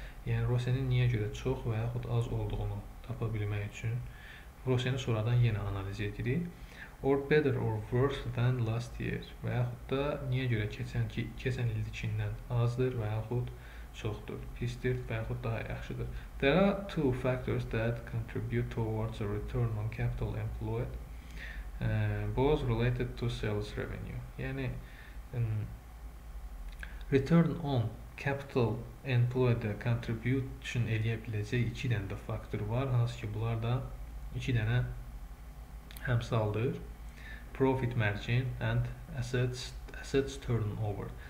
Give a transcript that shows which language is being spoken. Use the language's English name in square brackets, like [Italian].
[Azerbaijani] Yani ROSE'nin niyə görə çox və yaxud az olduğunu tapa bilmək üçün ROSE'nin sonradan yine analiz edirik. [English] Or better or worse than last year. [Azerbaijani] Və yaxud da niyə görə keçən ildikindən azdır və yaxud çoxdur, pisdir və yaxud daha yaxşıdır. [English] There are two factors that contribute towards a return on capital employed. Both related to sales revenue. [Azerbaijani] Yani return on capital employed contribution eləyə biləcək iki dənə də faktor var. Hansı ki bunlar da iki dənə həmsaldır. [English] Profit margin and assets turnover.